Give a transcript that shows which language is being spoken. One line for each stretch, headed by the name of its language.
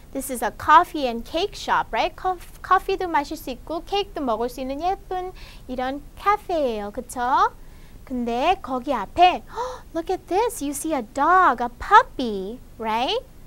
English: This is a coffee and cake shop, right?
Korean: 커피도 마실 수 있고, 케이크도 먹을 수 있는 예쁜 이런 카페예요, 그쵸? 근데 거기 앞에
English: look at this, you see a dog, a puppy, right?